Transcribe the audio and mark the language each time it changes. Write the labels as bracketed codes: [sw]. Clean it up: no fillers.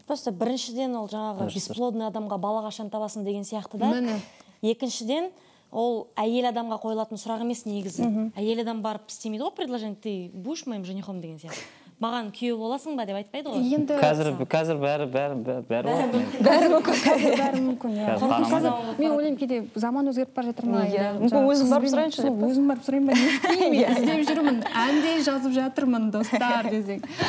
[kk] Просто біріншіден ол жаңағы бесплодный адамға бала қашан табасың деген сияқты да. Екіншіден ол әйел адамға қойылатын сұрақ емес негізі. Әйел адам барып істемейді ғой [ru] предложение, ты будешь моим женихом [kk] деген сияқты. Маған күйеу боласың ба деп айтпайды ғой. Енді қазір бәрі мүмкін. Мен ойлаймын, кейде заман өзгеріп бара жатыр ма. Өзім барып сұрайын ба, не істеймін? Іздеп жүрмін, әндей жазып жатырмын достар десең.